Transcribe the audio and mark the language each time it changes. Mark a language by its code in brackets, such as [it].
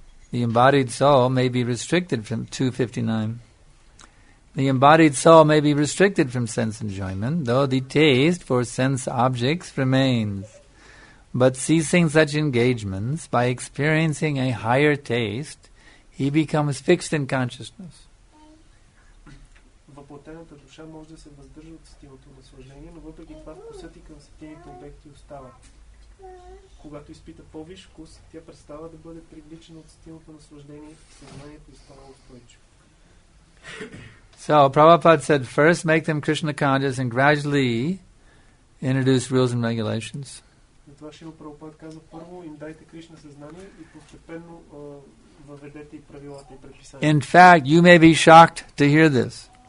[en] The embodied soul may be restricted from 259. The embodied soul may be restricted from sense enjoyment, though the taste for sense objects remains. But ceasing such engagements by experiencing a higher taste, he becomes fixed in consciousness. [bg] Въплътената душа може да се въздържа от сетивото наслаждение, но въпреки това вкусът и към сетивните обекти остава. Когато изпита по-виш вкус, тя престава да бъде привличана от сетивото наслаждение и съзнанието остава устойчиво. [en] So, Prabhupada said, first make them Krishna conscious and gradually introduce rules and regulations. [bg] Затова Шрила Прабхупада каза, първо им дайте Кришна съзнание и постепенно въведете и правилата и предписания. [en] In fact, you may be shocked to hear this.